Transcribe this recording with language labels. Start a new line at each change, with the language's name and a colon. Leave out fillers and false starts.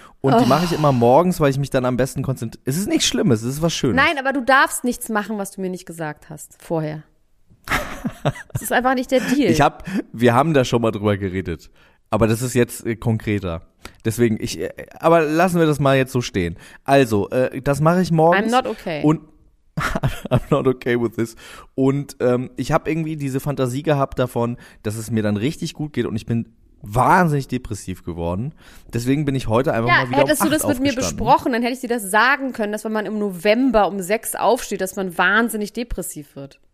German: Und die mache ich immer morgens, weil ich mich dann am besten konzentriere. Es ist nichts Schlimmes, es ist was Schönes. Nein, aber du darfst nichts machen, was du mir nicht gesagt hast vorher. Das ist einfach nicht der Deal. Wir haben da schon mal drüber geredet. Aber das ist jetzt konkreter. Deswegen, aber lassen wir das mal jetzt so stehen. Also, das mache ich morgens.
English: I'm not okay.
German: Und
English: I'm not okay with this.
German: Und ich habe irgendwie diese Fantasie gehabt davon, dass es mir dann richtig gut geht und ich bin wahnsinnig depressiv geworden. Deswegen bin ich heute einfach mal wieder um 8 aufgestanden. Hättest du das mit mir besprochen, dann hätte ich dir das sagen können, dass wenn man im November um 6 aufsteht, dass man wahnsinnig depressiv wird.